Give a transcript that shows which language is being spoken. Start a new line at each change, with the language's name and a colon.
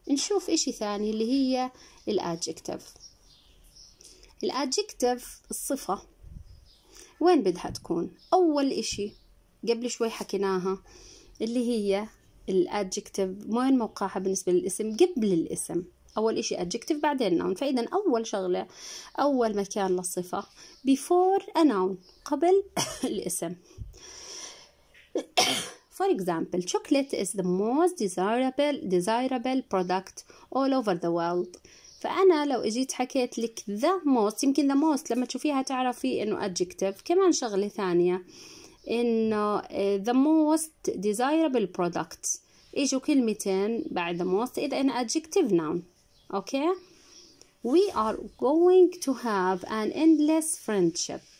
Arabic: نشوف إشي ثاني اللي هي الأدجكتيف. الأدجكتيف الصفة وين بدها تكون؟ أول إشي قبل شوي حكيناها اللي هي الادجكتيف، وين موقعها بالنسبة للاسم؟ قبل الاسم أول إشي adjective بعدين noun. فإذا أول شغلة أول مكان للصفة
English: before a noun،
Arabic: قبل الاسم.
English: For example chocolate is the most desirable product all over the world.
Arabic: فأنا لو إجيت حكيت لك the most، يمكن the most لما تشوفيها تعرفي إنه adjective. كمان شغلة ثانية إنه the most desirable product، إجوا كلمتين بعد the most إذا إن adjective noun، أوكي؟
English: we are going to have an endless friendship.